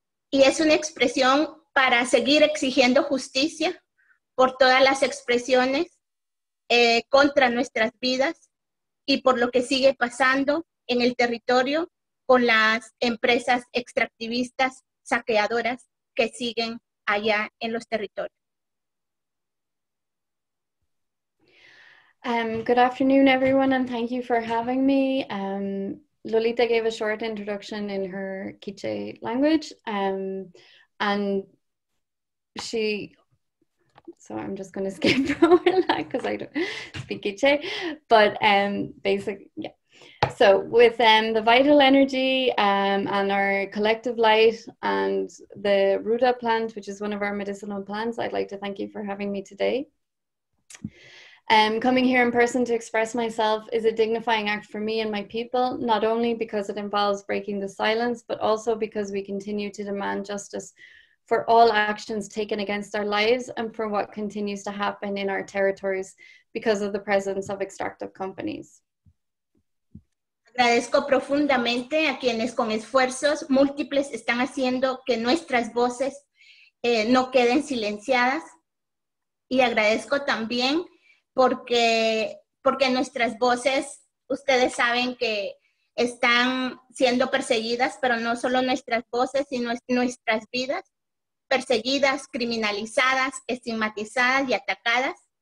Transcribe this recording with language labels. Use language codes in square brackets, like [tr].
[es] y es una expresión para seguir exigiendo justicia por todas las expresiones contra nuestras vidas y por lo que sigue pasando en el territorio con las empresas extractivistas saqueadoras que siguen allá en los territorios. [en] Good afternoon, everyone, and thank you for having me. Lolita gave a short introduction in her Quiché language, I'm just going to skip over that because I don't speak Quiché, but basically, yeah. So with the vital energy and our collective light and the ruda plant, which is one of our medicinal plants, I'd like to thank you for having me today. Coming here in person to express myself is a dignifying act for me and my people, not only because it involves breaking the silence, but also because we continue to demand justice for all actions taken against our lives and for what continues to happen in our territories because of the presence of extractive companies. [es] Agradezco profundamente a quienes con esfuerzos múltiples están haciendo que nuestras voces no queden silenciadas. Y agradezco también porque nuestras voces, ustedes saben que están siendo perseguidas, pero no solo nuestras voces, sino nuestras vidas, perseguidas, criminalizadas, estigmatizadas y atacadas.